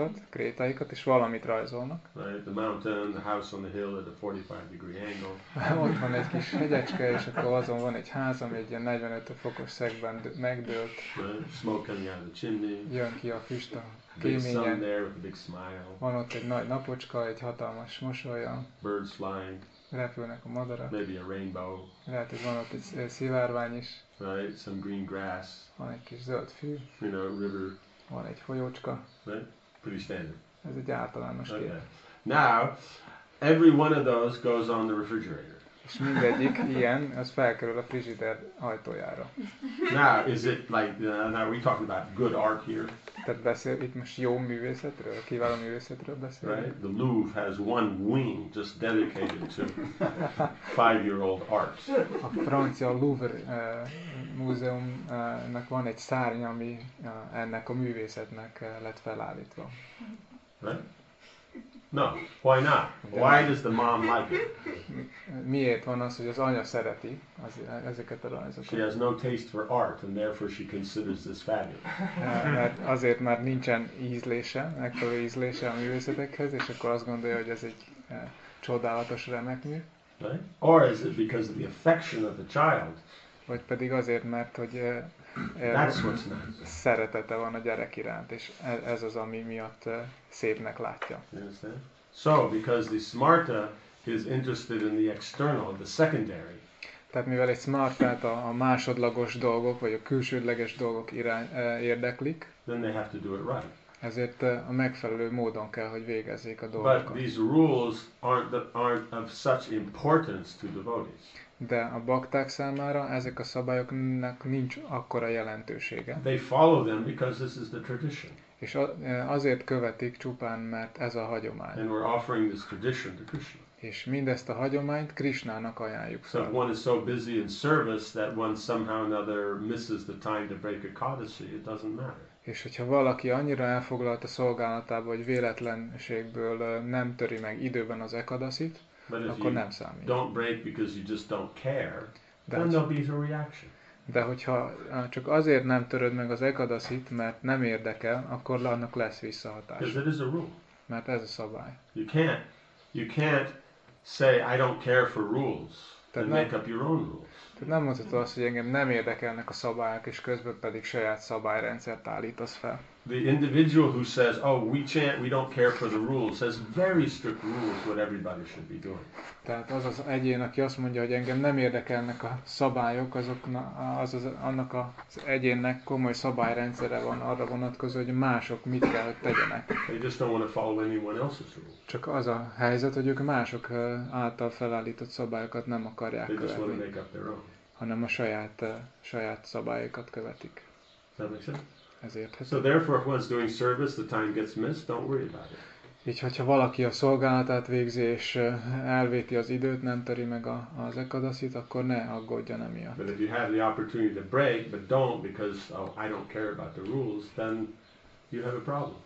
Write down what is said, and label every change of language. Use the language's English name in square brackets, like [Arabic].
[Hungarian] krétáikat, és valamit rajzolnak. [English] Right, the mountain, the house on the hill at a 45 degree angle. [Hungarian] Ott van egy kis hegyecske, és akkor azon van egy ház, ami egy ilyen 45 fokos szegben megdőlt. [English] Right, smoke coming out of the chimney. [Hungarian] Jön ki a füst a kéményen. [English] There with a big smile. [Hungarian] Van ott egy nagy napocska, egy hatalmas mosolya. [English] Birds flying. [Hungarian] Repülnek a madarak. [English] Maybe a rainbow. [Hungarian] Lehet, hogy van ott egy szivárvány is. [English] Right, some green grass. [Hungarian] Van egy kis zöld fű. [English] You know, river. [Hungarian] Van egy folyócska. [English] Right? Pretty standard. [Hungarian] Ez egy általános kép. [English] Okay. Now, every one of those goes on the refrigerator. [Hungarian] És mindegyik ilyen, az felkerül a frigider ajtójára. [English] Now, is it like, now we talking about good art here? [Hungarian] Tehát beszél, itt most jó művészetről, kiváló művészetről beszél. [English] Right? The Louvre has one wing just dedicated to five-year-old art. [Hungarian] A francia Louvre múzeumnak van egy szárny, ami ennek a művészetnek lett felállítva. [English] Right? No, why not? Why does the mom like it? [Hungarian] Miért van az, hogy az anya szereti az, ezeket a rajzokat? [English] She has no taste for art, and therefore she considers this fabulous. [Hungarian] Mert azért már nincsen ízlése, ekkora ízlése a művészetekhez, és akkor azt gondolja, hogy ez egy csodálatos, remek mű. [English] Right? Or is it because of the affection of the child? [Hungarian] Vagy pedig azért, mert hogy [English] That's what's nice. [Hungarian] Szeretete van a gyerek iránt, és ez az, ami miatt szépnek látja. [English] So, because the smarta is interested in the external, the secondary. [Hungarian] Tehát mivel egy smart, tehát a másodlagos dolgok, vagy a külsődleges dolgok irány, érdeklik, [English] then they have to do it right. [Hungarian] Ezért a megfelelő módon kell, hogy végezzék a dolgokat. [English] But these rules aren't of such importance to devotees. [Hungarian] De a bakták számára ezek a szabályoknak nincs akkora jelentősége. [English] They follow them because this is the tradition. [Hungarian] És azért követik csupán, mert ez a hagyomány. [English] And we're offering this tradition to Krishna. [Hungarian] És mindezt a hagyományt Krishnának ajánljuk. [English] So one is so busy in service that one somehow or another misses the time to break a codicil, it doesn't matter. [Hungarian] És hogyha valaki annyira elfoglalt a szolgálatába, hogy véletlenségből nem töri meg időben az ekadaszit, akkor nem számít. [English] Don't break because you just don't care. Then there'll be a reaction. [Hungarian] De hogyha csak azért nem töröd meg az ekadaszit, mert nem érdekel, akkor annak lesz visszahatás. [English] Because it is a rule. [Hungarian] Mert ez a szabály. [English] You can't say I don't care for rules. And make up your own rules. [Hungarian] Tehát nem mondható azt, hogy engem nem érdekelnek a szabályok, és közben pedig saját szabályrendszert állítasz fel. [English] The individual who says, oh, we chant, we don't care for the rules, has very strict rules what everybody should be doing. [Hungarian] Tehát az az egyén, aki azt mondja, hogy engem nem érdekelnek a szabályok, annak az egyénnek komoly szabályrendszere van arra vonatkozó, hogy mások mit kell, hogy tegyenek. [English] They just don't want to follow anyone else's rules. [Hungarian] Csak az a helyzet, hogy ők mások által felállított szabályokat nem akarják [English] They [Hungarian] követni, [English] just want to make up their own. [Hungarian] Hanem a saját szabályokat követik. [English] So therefore, if one's doing service, the time gets missed. Don't worry about it. [Hungarian] Így, hogyha valaki a szolgálatát végzi és elvéti az időt, nem töri meg az ekadaszit, akkor ne aggódjon emiatt. [English] But if you have the opportunity to break, but don't because oh, I don't care about the rules, then you have a problem.